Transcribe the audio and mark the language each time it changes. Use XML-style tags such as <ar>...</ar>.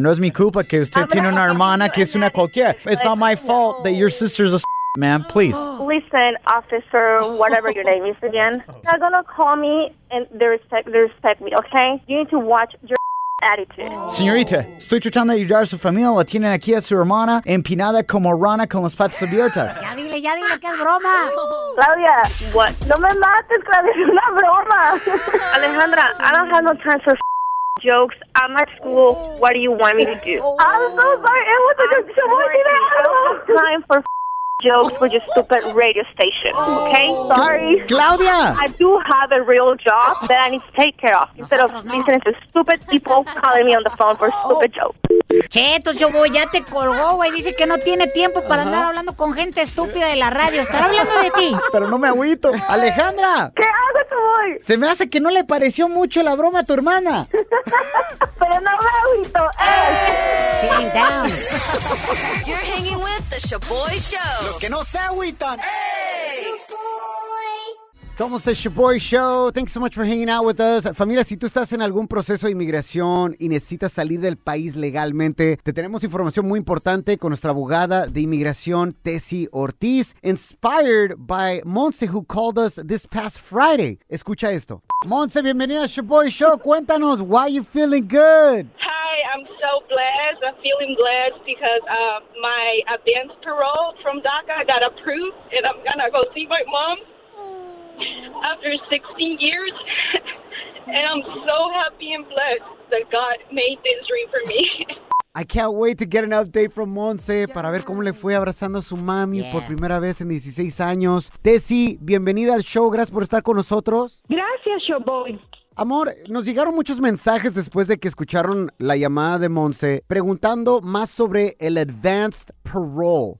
<es>No es mi culpa que usted tiene una hermana que es una cualquiera.</es> <en>It's not my fault that your sister's a ma'am, please. Listen, officer, whatever your name is again. They're gonna call me and they respect me, okay? You need to watch your attitude.</en> <es>Señorita, estoy tratando de ayudar a su familia. La tienen aquí a su hermana empinada como rana con las patas abiertas. Ya dile que es broma. Claudia,</es> <en>what?</en> <es>No me mates, Claudia, es una broma.</es> <en>Alejandra, I don't have no time for jokes. I'm at school. What do you want me to do? I'm so sorry. It was a joke. So what did I have time for jokes with your stupid radio station, okay? Sorry. Claudia! I do have a real job that I need to take care of instead of listening to stupid people calling me on the phone for stupid jokes.</en> <es>Cheto, yo voy, ya te colgó, güey. Dice que no tiene tiempo para andar hablando con gente estúpida de la radio. Estar hablando de ti. Pero no me agüito. ¡Alejandra! ¿Qué hago, Chuboy? Se me hace que no le pareció mucho la broma a tu hermana. Pero no me agüito.</es> <en>Sitting down. You're hanging with the Chuboy Show.</en> <es>Los que no se agüitan. Chuboy. Somos</es> <en>the Chuboy Show. Thanks so much for hanging out with us.</en> <es>Familia, si tú estás en algún proceso de inmigración y necesitas salir del país legalmente, te tenemos información muy importante con nuestra abogada de inmigración, Tessie Ortiz,</es> <en>inspired by Monse, who called us this past</en> <es>Friday. Escucha esto. Monse, bienvenida a Chuboy Show. Cuéntanos,</es> <en>why are you feeling good? I'm so blessed. I'm feeling blessed because my advance parole from DACA got approved, and I'm gonna go see my mom after 16 years. And I'm so happy and blessed that God made this dream for me. I can't wait to get an update from Monse</en> <es>para ver cómo le fue abrazando a su mami por primera vez en 16 años. Tessie, bienvenida al show. Gracias por estar con nosotros. Gracias, Showboy. Amor, nos llegaron muchos mensajes después de que escucharon la llamada de Monse preguntando más sobre el Advanced Parole.</es>